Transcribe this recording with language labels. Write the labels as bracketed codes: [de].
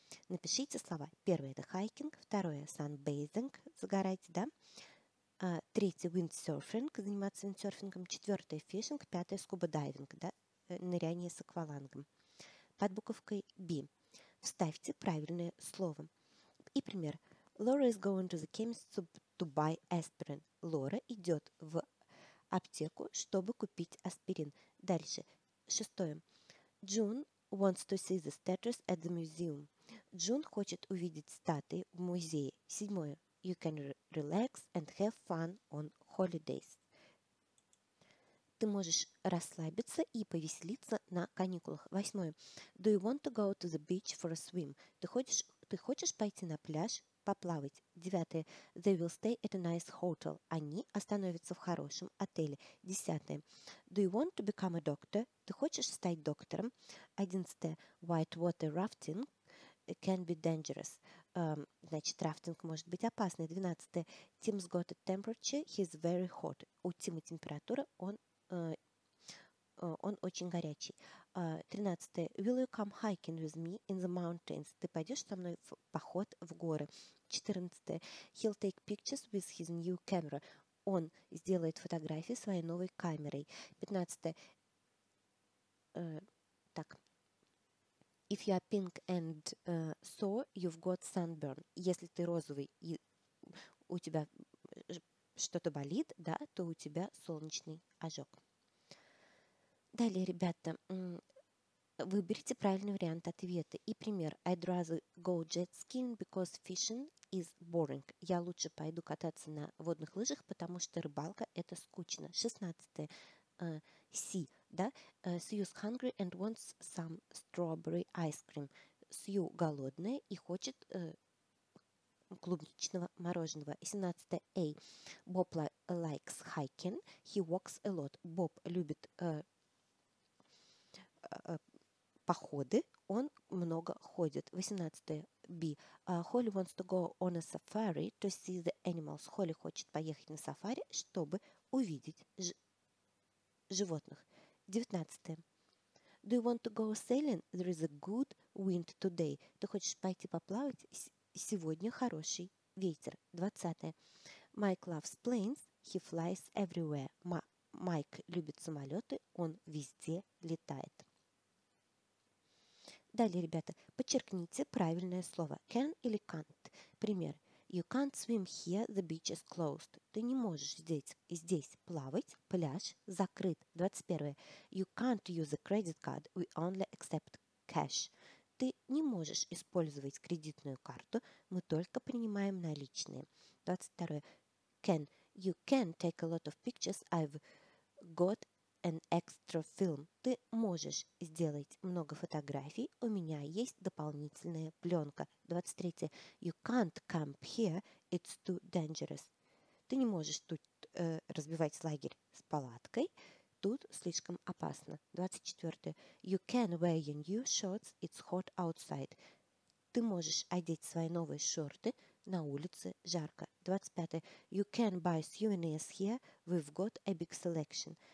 [ru] Напишите слова. Первое – это хайкинг, второе – sunbathing, загорать, да? Третье – windsurfing, заниматься виндсерфингом. Четвертое – фишинг. Пятое – скубодайвинг, да, ныряние с аквалангом. Под буковкой B вставьте правильное слово. И пример. [en] Laura is going to the chemist to buy aspirin. [ru] Лора идет в аптеку, чтобы купить аспирин. Дальше. Шестое. [en] June wants to see the statues at the museum. [ru] Джун хочет увидеть статуи в музее. Седьмое. [en] You can relax and have fun on holidays. [ru] Ты можешь расслабиться и повеселиться на каникулах. Восьмое. [en] Do you want to go to the beach for a swim? [ru] Ты хочешь пойти на пляж поплавать? Девятое. [en] They will stay at a nice hotel. [ru] Они остановятся в хорошем отеле. Десятое. [en] Do you want to become a doctor? [ru] Ты хочешь стать доктором? Одиннадцатое. [en] White water rafting can be dangerous. [ru] Значит, рафтинг может быть опасный. [en] 12. Tim's got a temperature, he's very hot. [ru] У Тима температура, он очень горячий. 13. [en] Will you come hiking with me in the mountains? [ru] Ты пойдешь со мной в поход в горы. [en] 14. He'll take pictures with his new camera. [ru] Он сделает фотографии своей новой камерой. 15. [en] If you are pink and sore, you've got sunburn. [ru] Если ты розовый и у тебя что-то болит, да, то у тебя солнечный ожог. Далее, ребята, выберите правильный вариант ответа. И пример. [en] I'd rather go jet skiing because fishing is boring. [ru] Я лучше пойду кататься на водных лыжах, потому что рыбалка – это скучно. 16-е. [en] Sue is hungry and wants some strawberry ice cream. [ru] Sue голодная и хочет клубничного мороженого. [en] 17. A. Bob likes hiking. He walks a lot. [ru] Bob любит походы. Он много ходит. [en] 18. B. Holly wants to go on a safari to see the animals. [ru] Holly хочет поехать на сафари, чтобы увидеть животных. [en] 19. Do you want to go sailing? There is a good wind today. [ru] Ты хочешь пойти поплавать? Сегодня хороший ветер. 20. [en] Mike loves planes. He flies everywhere. [ru] Майк любит самолеты. Он везде летает. Далее, ребята, подчеркните правильное слово. Can или can't? Пример. [en] You can't swim here, the beach is closed. [ru] Ты не можешь здесь плавать, пляж закрыт. 21. [en] You can't use a credit card, we only accept cash. [ru] Ты не можешь использовать кредитную карту, мы только принимаем наличные. [en] 22. Can. You can take a lot of pictures, I've got an extra film. [ru] Ты можешь сделать много фотографий, у меня есть дополнительная пленка. [en] 23. You can't camp here, it's too dangerous. [ru] Ты не можешь тут разбивать лагерь с палаткой, тут слишком опасно. 24. [en] You can wear your new shorts, it's hot outside. [ru] Ты можешь одеть свои новые шорты, на улице жарко. [en] 25. You can buy souvenirs here, we've got a big selection.